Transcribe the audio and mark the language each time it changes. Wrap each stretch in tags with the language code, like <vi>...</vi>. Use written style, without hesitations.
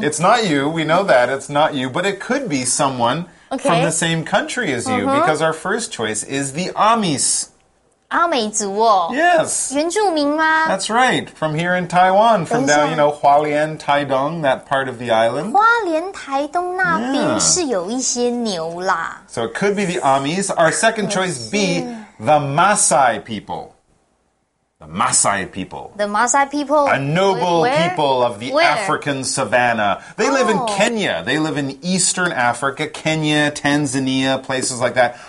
<en>it's not you. We know that. It's not you. But it could be someone from the same country as you, because our first choice is the Amis.</en> <zh>阿美族哦,</zh> <en>Yes.</en> <zh>原住民吗?</zh> <en>That's right. From here in Taiwan, from down, you know, 花莲, Taidong, that part of the island.</en> <zh>花莲台东那边是有一些牛啦。</zh> <en>So it could be the Amis. Our second choice, B, the Maasai people. The Maasai people. The Maasai people? A noble people of the Where? African savanna. They live in Kenya. They live in Eastern Africa, Kenya, Tanzania, places like that.</en>